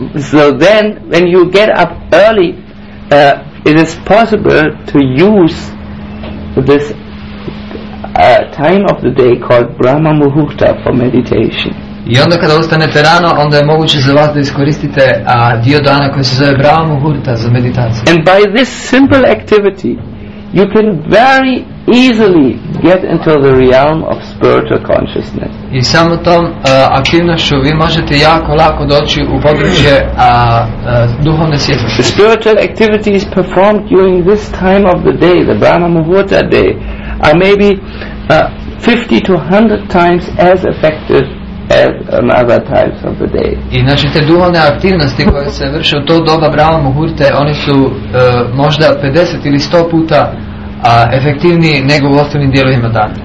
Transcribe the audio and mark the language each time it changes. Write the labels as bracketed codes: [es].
[en] So then when you get up early, it is possible to use this time of the day called Brahma Muhurta for meditation. [hr] I onda kada ustanete rano, onda je moguće za vas da iskoristite dio dana koji se zove Brahma Muhurta za meditaciju. [en] And by this simple activity, you can very easily get into the realm of spiritual consciousness. [hr] I samo tom aktivnošću vi možete jako lako doći u područje duhovne svjetlosti. [en] The spiritual activities performed during this time of the day, the Brahma Muhurta day, are maybe 50 to 100 times as effective as on other times of the day. [hr] I znači te duhovne aktivnosti koje se vrše u to doba Brahma Muhurte, oni su možda 50 ili 100 puta efektivni nego u ostalim dijelovima dana.